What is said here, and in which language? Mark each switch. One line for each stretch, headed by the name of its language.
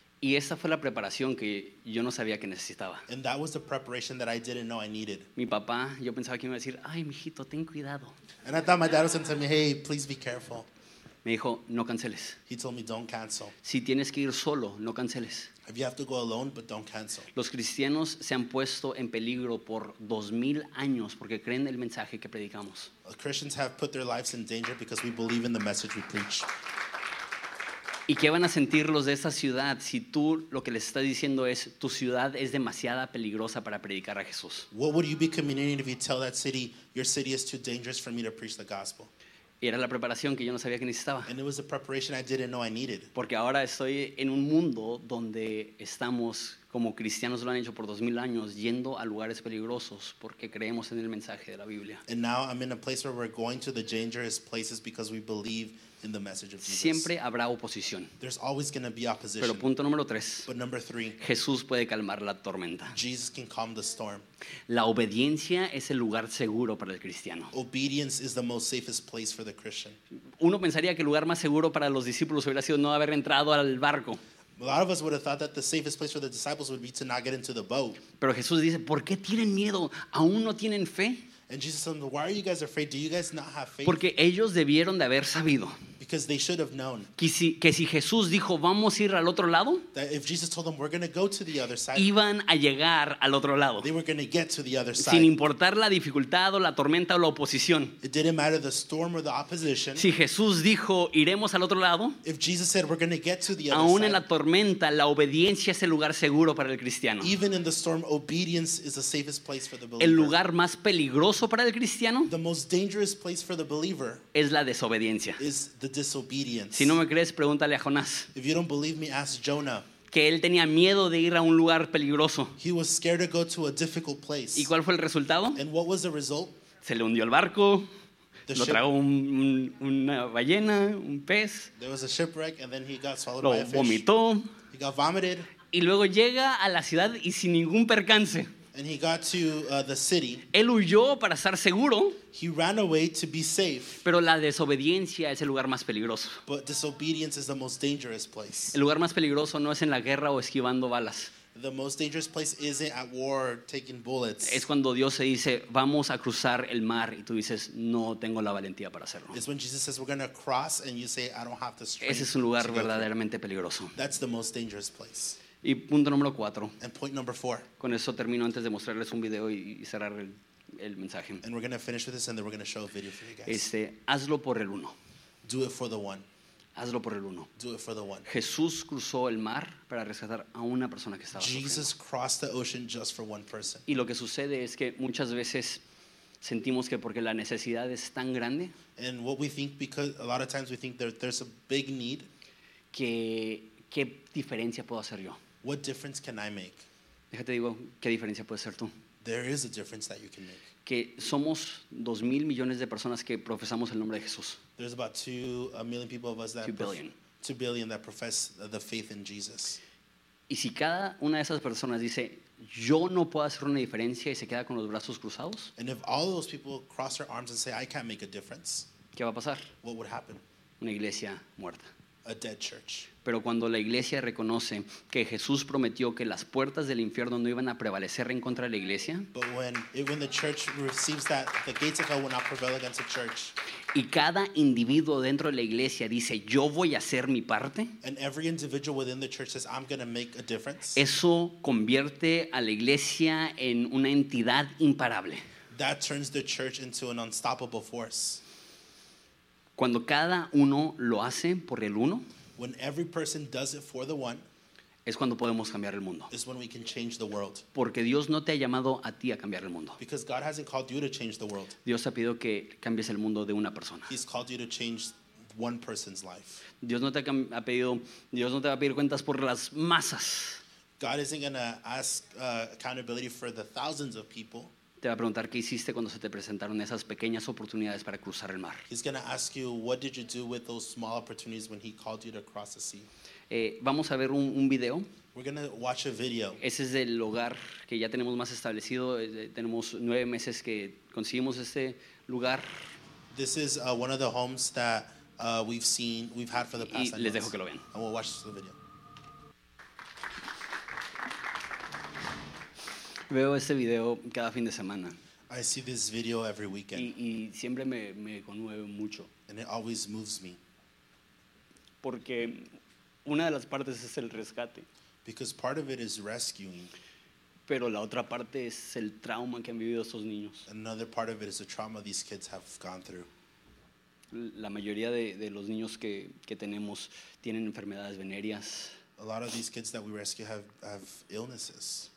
Spanish: Y esa fue la preparación que yo no sabía que necesitaba.
English: And that was the preparation that I didn't know I needed.
Spanish: Mi papá, yo pensaba que me iba a decir, ay, mijito, ten cuidado.
English: And I thought my dad was going to tell me, hey, please be careful.
Spanish: Me dijo, no canceles.
English: He told me, don't cancel.
Spanish: Si tienes que ir solo, no canceles.
English: If you have to go alone, but don't cancel.
Spanish: Los cristianos se han puesto en peligro por 2,000 años porque creen el mensaje que predicamos.
English: Christians have put their lives in danger because we believe in the message we preach.
Spanish: ¿Y qué van a sentir los de esa ciudad si tú lo que les estás diciendo es tu ciudad es demasiado peligrosa para predicar a Jesús?
English: What would you be communicating if you tell that city, your city is too dangerous for me to preach the gospel?
Spanish: Y era la preparación que yo no sabía que necesitaba.
English: And it was the preparation I didn't know I needed.
Spanish: Porque ahora estoy en un mundo donde estamos, como cristianos lo han hecho por 2,000 años, yendo a lugares peligrosos porque creemos en el mensaje de la Biblia.
English: And now I'm in a place where we're going to the dangerous places because we believe in the message of Jesus.
Spanish: Siempre habrá oposición.
English: There's always going to be opposition.
Spanish: Pero punto número 3.
English: But number 3.
Spanish: Jesús puede calmar la tormenta.
English: Jesus can calm the storm.
Spanish: La obediencia es el lugar seguro para el cristiano.
English: Obedience is the most safest place for the Christian.
Spanish: Uno pensaría que el lugar más seguro para los discípulos hubiera sido no haber entrado al barco.
English: A lot of us would have thought that the safest place for the disciples would be to not get into the boat.
Spanish: Pero Jesús dice, ¿por qué tienen miedo? ¿Aún no tienen fe?
English: And Jesus said, why are you guys afraid? Do you guys not have faith?
Spanish: Porque ellos debieron de haber sabido.
English: Because they should have known.
Spanish: Que si Jesús dijo, vamos a ir al otro lado.
English: That if Jesus told them, we're going to go to the other side.
Spanish: Iban a llegar al otro lado.
English: They were going to get to the other side.
Spanish: Sin importar la dificultad o la tormenta o la oposición.
English: It didn't matter the storm or the opposition.
Spanish: Si Jesús dijo, iremos al otro lado.
English: If Jesus said, we're going to get to the other side.
Spanish: Aún en la tormenta, la obediencia es el lugar seguro para el cristiano.
English: Even in the storm, obedience is the safest place for the believer.
Spanish: El lugar más peligroso para el cristiano.
English: The most dangerous place for the believer.
Spanish: Es la desobediencia.
English: Is the disobedience.
Spanish: Si no me crees, pregúntale a Jonás.
English: If you don't believe me, ask Jonah.
Spanish: Que él tenía miedo de ir a un lugar peligroso.
English: He was scared to go to a difficult place.
Spanish: ¿Y cuál fue el resultado?
English: And what was the result?
Spanish: Se le hundió el barco. The lo tragó una ballena, un pez.
English: There was a shipwreck and then he got swallowed
Spanish: lo
English: by a fish.
Spanish: Vomitó.
English: He got vomited.
Spanish: Y luego llega a la ciudad y sin ningún percance.
English: And he got to the city.
Spanish: Él huyó para estar seguro.
English: He ran away to be safe.
Spanish: Pero la desobediencia es el lugar más peligroso.
English: But disobedience is the most dangerous place.
Spanish: El lugar más peligroso no es en la guerra o esquivando balas.
English: The most dangerous place isn't at war taking bullets.
Spanish: Es cuando Dios te dice, vamos a cruzar el mar, y tú dices, no tengo la valentía para hacerlo.
English: It's when Jesus says, we're going to cross, and you say, I don't have the strength.
Spanish: Ese es un lugar verdaderamente peligroso.
English: That's the most dangerous place.
Spanish: Y punto número cuatro.
English: And point number four.
Spanish: Con eso termino antes de mostrarles un video y cerrar el mensaje.
English: And we're going to finish with this, and then we're going to show a video for you guys.
Spanish: Hazlo por el uno.
English: Do it for the one.
Spanish: Hazlo por el uno.
English: Do it for the one.
Spanish: Jesús cruzó el mar para rescatar a una persona que estaba
English: Jesus
Spanish: sufriendo.
English: Crossed the ocean just for one person.
Spanish: Y lo que sucede es que muchas veces sentimos que porque la necesidad es tan grande,
English: and what we think, because a lot of times we think that there's a big need,
Spanish: que qué diferencia puedo hacer yo.
English: What difference can I make?
Spanish: Déjate digo, ¿qué diferencia puedes ser tú?
English: There is a difference that you can make.
Spanish: Que somos 2,000,000,000 de personas que profesamos el nombre de Jesús.
English: There's about 2,000,000 people of us that 2 billion. 2 billion that profess the faith in Jesus.
Spanish: Y si cada una de esas personas dice, yo no puedo hacer una diferencia y se queda con los brazos cruzados.
English: And if all of those people cross their arms and say, I can't make a difference.
Spanish: ¿Qué va a pasar?
English: What would happen?
Spanish: Una iglesia muerta.
English: A dead church.
Spanish: Pero cuando la iglesia reconoce que Jesús prometió que las puertas del infierno no iban a prevalecer en contra de la iglesia,
English: but when the church receives that, the gates of hell will not prevail against the church.
Spanish: Y cada individuo dentro de la iglesia dice, yo voy a hacer mi parte.
English: And every individual within the church says, I'm going to make a difference.
Spanish: Eso convierte a la iglesia en una entidad imparable.
English: That turns the church into an unstoppable force.
Spanish: Cuando cada uno lo hace por el uno,
English: when every person does it for the one,
Spanish: es cuando podemos cambiar el mundo.
English: Is when we can change the world.
Spanish: Porque Dios no te ha llamado a ti a cambiar el mundo.
English: Because God hasn't called you to change the world.
Spanish: Dios ha pedido que cambies el mundo de una persona.
English: He's called you to change one person's life.
Spanish: Dios no te va a pedir cuentas por las masas.
English: God isn't going to ask accountability for the thousands of people.
Spanish: Te va a preguntar qué hiciste cuando se te presentaron esas pequeñas oportunidades para cruzar el mar.
English: He's going to ask you, what did you do with those small opportunities when he called you to cross the sea?
Spanish: Vamos a ver un video.
English: We're going to watch a video.
Spanish: Ese es el hogar que ya tenemos más establecido. Tenemos 9 meses que conseguimos este lugar.
English: This is one of the homes that we've had for the past.
Spanish: Y les dejo que lo vean.
English: And we'll watch the video.
Spanish: Veo este video cada fin de semana.
English: I see this video every weekend.
Spanish: Y siempre me conmueve mucho.
English: And it always moves me.
Spanish: Porque una de las partes es el rescate.
English: Because part of it is rescuing.
Spanish: Pero la otra parte es el trauma que han vivido estos niños.
English: Another part of it is the trauma these kids have gone through.
Spanish: La mayoría de los niños que tenemos tienen enfermedades venéreas.
English: A lot of these kids that we rescue have illnesses.